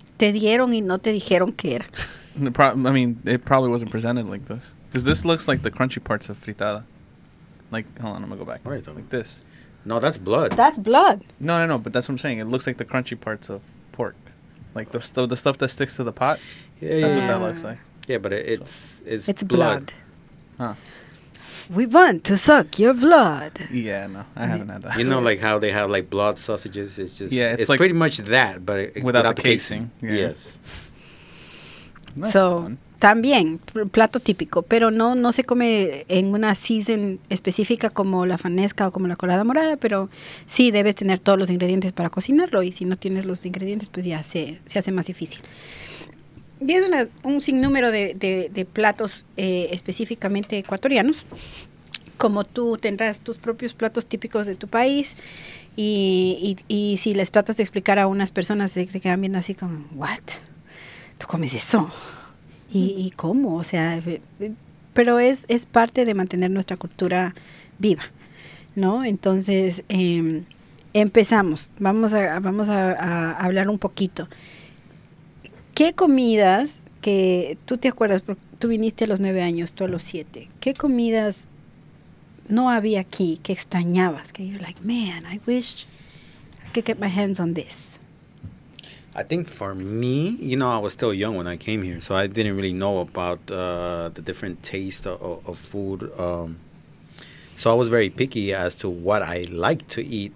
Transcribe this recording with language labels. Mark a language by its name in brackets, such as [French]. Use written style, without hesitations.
[Spanish] Te dieron y no te dijeron qué era. [English] It probably wasn't presented like this. Because this looks like the crunchy parts of fritada. Like, hold on, I'm gonna go back. What are you talking? Like this. No, that's blood. That's blood. No, but that's what I'm saying. It looks like the crunchy parts of pork. Like the stuff that sticks to the pot. Yeah, that's what that looks like. Yeah, but it's blood. Huh. We want to suck your blood. Yeah, no, I haven't had that. You know, like how they have like blood sausages? It's just, yeah, it's like pretty much that, but without the casing. Yeah. Yes. That's so fun. [Spanish] También, plato típico, pero no se come en una season específica como la fanesca o como la colada morada, pero sí debes tener todos los ingredientes para cocinarlo, y si no tienes los ingredientes, pues ya se hace más difícil. Y es un sinnúmero de platos específicamente ecuatorianos, como tú tendrás tus propios platos típicos de tu país, y si les tratas de explicar a unas personas, se quedan viendo así como, ¿what? ¿Tú comes eso? ¿Y cómo? O sea, pero es parte de mantener nuestra cultura viva, ¿no? Entonces, empezamos. Vamos a hablar un poquito. ¿Qué comidas que tú te acuerdas? Porque tú viniste a los 9 años, tú a los 7. ¿Qué comidas no había aquí que extrañabas? [English] Que you're like, man, I wish I could get my hands on this. I think for me, you know, I was still young when I came here, so I didn't really know about the different taste of food. So I was very picky as to what I like to eat.